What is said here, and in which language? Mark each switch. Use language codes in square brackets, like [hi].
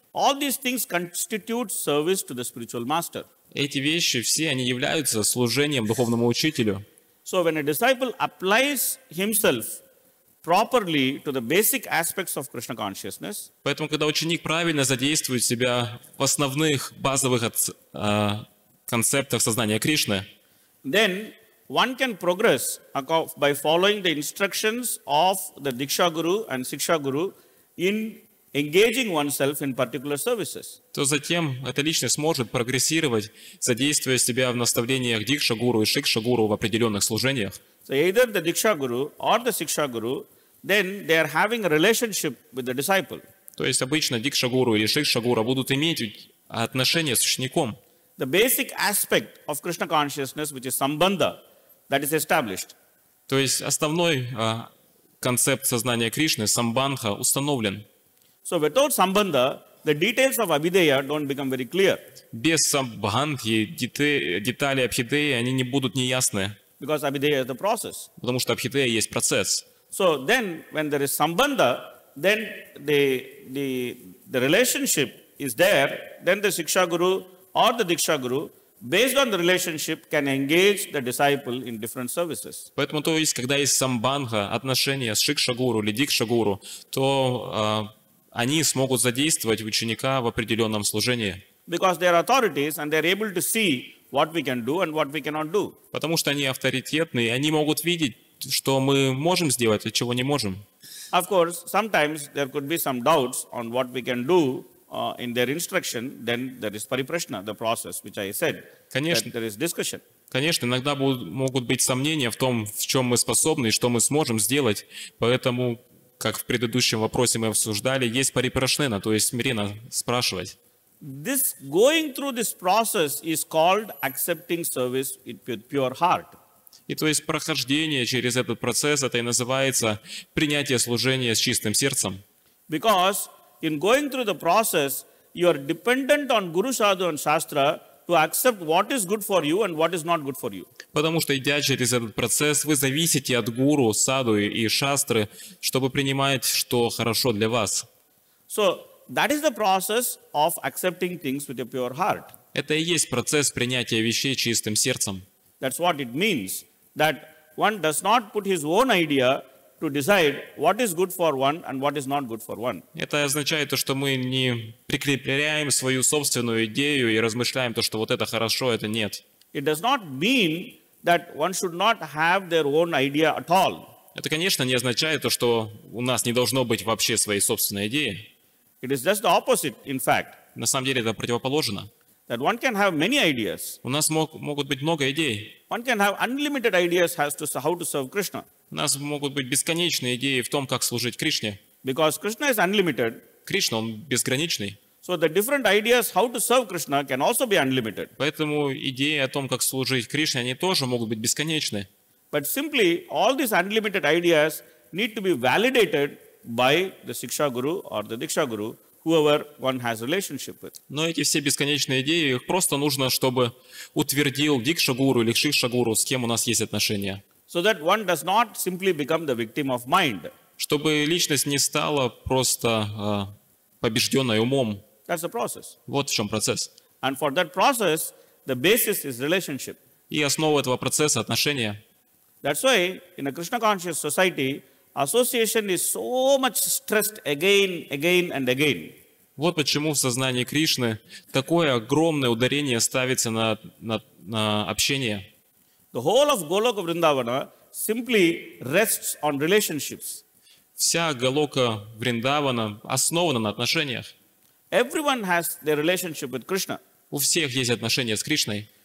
[en] All these things constitute service to the spiritual master. [ru] Эти вещи все, они являются служением духовному учителю. [en] So when a disciple applies himself properly to the basic aspects of Krishna consciousness. [ru] Поэтому, когда ученик правильно задействует себя в основных базовых концептах сознания Кришны, [en] then one can progress by following the instructions of the Diksha Guru and Siksha Guru in engaging oneself in particular services. [ru] То затем эта личность сможет прогрессировать, задействуя себя в наставлениях Дикша Гуру и Шикша Гуру в определенных служениях. [en] So either the Diksha Guru or the Siksha Guru, then they are having a relationship with the disciple. [ru] То есть обычно Дикша Гуру или Шикша Гуру будут иметь отношения с учеником. [en] The basic aspect of Krishna consciousness, which is sambandha, that is established. [ru] То есть основной концепт сознания Кришны, самбандха, установлен. [en] So without sambandha, the details of abhideya don't become very clear. [ru] Без самбандхи детали абхидеи они не будут неясны. [en] Because abhideya is the process. [ru] Потому что абхидея есть процесс. [en] So then, when there is sambandha, then the relationship is there. Then the siksha guru or the diksha guru, based on the relationship, can engage the disciple in different services. [ru] Поэтому то есть, когда есть самбандха, отношения с шикша гуру или дикша гуру, то они смогут задействовать ученика в определенном служении. [en] Because they are authorities and they are able to see what we can do and what we cannot do. [ru] Потому что они авторитетные, они могут видеть, что мы можем сделать, а чего не можем. [en] Of course, sometimes there could be some doubts on what we can do in their instruction, then there is parипрашна, the process, which I said, [ru] конечно, [en] that there is discussion. [ru] Конечно, иногда могут быть сомнения в том, в чем мы способны и что мы сможем сделать, поэтому, как в предыдущем вопросе мы обсуждали, есть парипрашнена, то есть смиренно спрашивать. [en] This going through this process is called accepting service with pure heart. [ru] И то есть прохождение через этот процесс, это и называется принятие служения с чистым сердцем. [en] Because in going through the process, you are dependent on Guru Sadhu and Shastra to accept what is good for you and what is not good for you. [ru] Потому что идя через этот процесс, вы зависите от Гуру, Саду и Шастры, чтобы принимать, что хорошо для вас. [en] So that is the process of accepting things with a pure heart. [ru] Это и есть процесс принятия вещей чистым сердцем. [en] That's what it means. That one does not put his own idea to decide what is good for one and what is not good for one. [ru] Это означает то, что мы не прикрепляем свою собственную идею и размышляем то, что вот это хорошо, это нет. [en] It does not mean that one should not have their own idea at all. [ru] Это, конечно, не означает то, что у нас не должно быть вообще своей собственной идеи. [en] It is just the opposite, in fact. [ru] На самом деле это противоположно. [en] That one can have many ideas. [ru] У нас могут быть много идей. [en] One can have unlimited ideas as to how to serve Krishna. [ru] У нас могут быть бесконечные идеи в том, как служить Кришне. [en] Because Krishna is unlimited. [ru] Кришна, он безграничный. [en] So the different ideas how to serve Krishna can also be unlimited. [ru] Поэтому идеи о том, как служить Кришне, они тоже могут быть бесконечны. [en] But simply all these unlimited ideas need to be validated by the Siksha Guru or the Diksha Guru, whoever one has relationship with. [ru] Но эти все бесконечные идеи, их просто нужно, чтобы утвердил Дикша Гуру или Шикша Гуру, с кем у нас есть отношения. [en] So that one does not simply become the victim of mind. [ru] Чтобы личность не стала просто побежденной умом. [en] That's the process. [ru] Вот в чем процесс. [en] And for that process, the basis is relationship. [ru] И основа этого процесса – отношения. [en] That's why in a Krishna conscious society, association is so much stressed again, again and again. [ru] Вот почему в сознании Кришны такое огромное ударение ставится на общение. [en] The whole of Goloka Vrindavana simply rests on relationships. [ru] Вся Голока Вриндавана основана на отношениях. [en] Everyone has their relationship with Krishna. [ru] У всех есть отношения с Кришной.